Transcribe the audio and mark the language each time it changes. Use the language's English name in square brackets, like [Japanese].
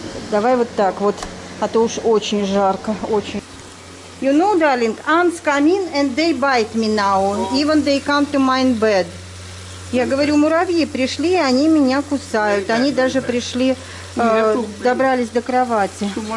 [Russian] Давай вот так вот, а то уж очень жарко, очень. [English] You know, darling, ants come in and they bite me now, even they come to my bed. [Russian] Я говорю, муравьи пришли, и они меня кусают. Они даже пришли, добрались до кровати.